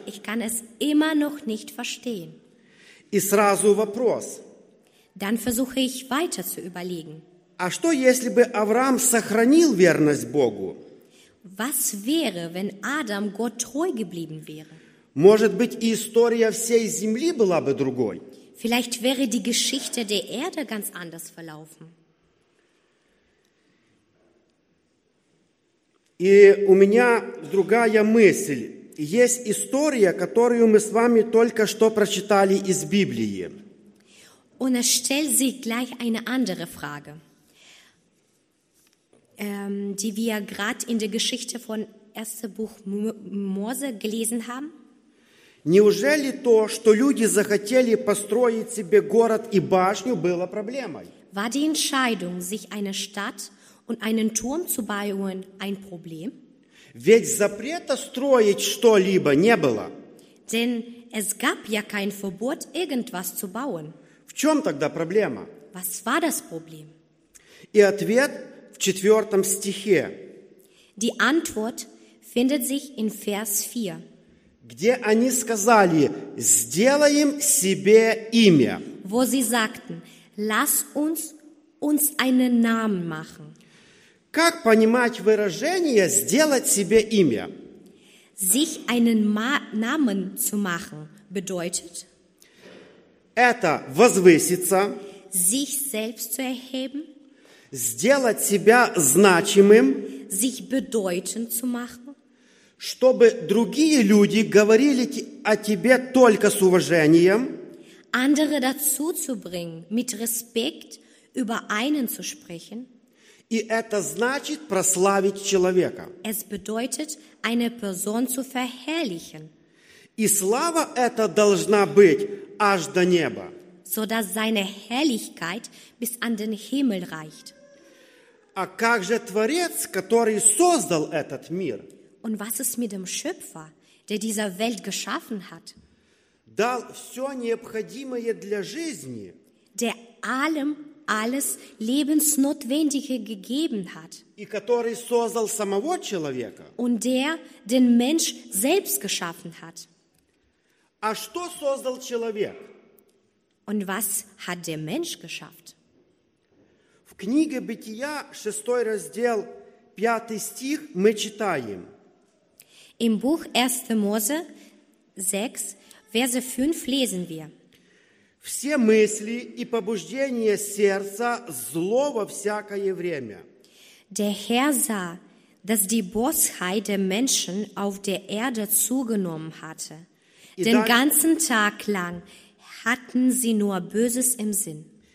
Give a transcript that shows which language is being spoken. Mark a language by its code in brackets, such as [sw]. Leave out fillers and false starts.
[de] Ich kann es immer noch nicht verstehen. [ru] И сразу вопрос. [de] Dann versuche ich weiter zu überlegen. [ru] А что, если бы Авраам сохранил верность Богу? [de] Was wäre, wenn Adam Gott treu geblieben wäre? [ru] Может быть, и история всей земли была бы другой. [de] Vielleicht wäre die Geschichte der Erde ganz anders verlaufen. [ru] И у меня другая мысль. Есть история, которую мы с вами только что прочитали из Библии. [de] Und es stellt sich gleich eine andere Frage, die wir gerade in der Geschichte von 1. Buch Mose gelesen haben. [ru] Неужели то, что люди захотели построить себе город и башню, было проблемой? [de] War die Entscheidung, sich eine Stadt und einen Turm zu bauen, ein Problem? [ru] Ведь запрета строить что-либо не было. [de] Denn es gab ja kein Verbot, irgendwas zu bauen. [ru] В чем тогда проблема? [de] Was war das Problem? [ru] И ответ в 4 стихе. [de] Die Antwort findet sich in Vers 4. [ru] Где они сказали, сделаем себе имя. [de] Wo sie sagten, lass uns uns einen Namen machen. [ru] Как понимать выражение, сделать себе имя? [de] Sich einen Namen zu machen bedeutet, [ru] это возвыситься, [de] sich selbst zu erheben, [ru] сделать себя значимым, [de] sich bedeutend zu machen, [ru] чтобы другие люди говорили о тебе только с уважением. [de] Andere dazu zu bringen, mit Respekt über einen zu sprechen. [ru] И это значит прославить человека. [de] Es bedeutet, eine Person zu verherrlichen. [ru] И слава эта должна быть аж до неба. [de] So dass seine Herrlichkeit bis an den Himmel reicht. [ru] А как же Творец, который создал этот мир? [de] Und was ist mit dem Schöpfer, der dieser Welt geschaffen hat? [ru] Дал все необходимое для жизни. [de] Der allem alles Lebensnotwendige gegeben hat. [ru] И который создал самого человека. [de] Und der den Mensch selbst geschaffen hat. [ru] А что создал человек? [de] Und was hat der Mensch geschafft? [ru] В книге Бытия, 6 раздел, 5 стих, мы читаем. [de] Im Buch 1. Mose 6, Verse 5 lesen wir. [ru] Все мысли и побуждения сердца зло во всякое время. [de] Der Herr sah dass die Bosheit der Menschen auf der Erde zugenommen hatte. Den ganzen Tag lang hatten sie nur Böses im Sinn.